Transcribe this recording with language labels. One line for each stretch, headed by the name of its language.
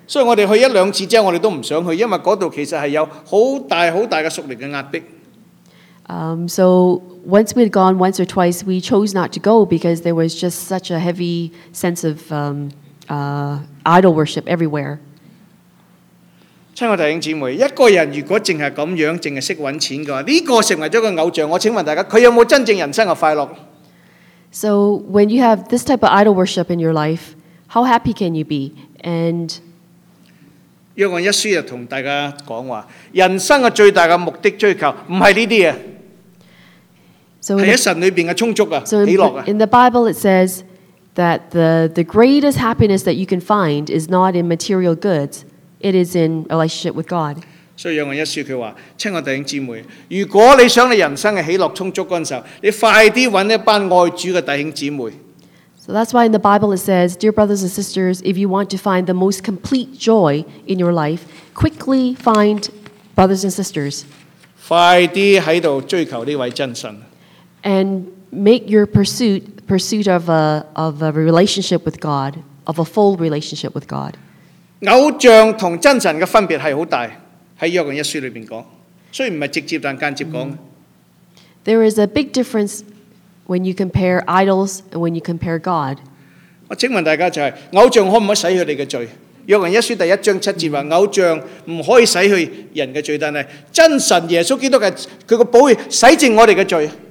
English: So once we had gone once or twice, we chose not to go because there was just such a heavy sense of idol worship everywhere.
Chinese: 親愛弟兄姊妹，一個人如果只是這樣，只懂賺錢的話，這個成為了個偶像，我請問大家，他有沒有真正人生的快樂？
English: So when you have this type of idol worship in your life, how happy can you be? And
Chinese: 約翰一書就跟大家說話，人生的最大的目的追求不是這些，是在神裡面的充足啊，喜樂啊。
English: In the Bible it says that the greatest happiness that you can find is not in material goods, it is in a relationship with God.
Chinese: 所以約翰一書他說，親愛弟兄姊妹，如果你想你人生的喜樂充足的時候，你快點找一班愛主的弟兄姊妹。
English: So that's why in the Bible it says, Dear brothers and sisters, if you want to find the most complete joy in your life, quickly find brothers and sisters.
Chinese: 快點在這裡追求這位真神。
English: And make your pursuit of a relationship with God, of a full relationship with God.
Chinese: 偶像和真神的分別是很大，在約翰一書裡面說，雖然不是直接，但間接說。
English: There is a big difference when you compare idols and when you compare God.
Chinese: 我請問大家就是，偶像可不可以洗去你的罪？約翰一書第一章七節話，偶像不可以洗去人的罪，但是真神耶穌基督的祂的寶血洗淨我們的罪。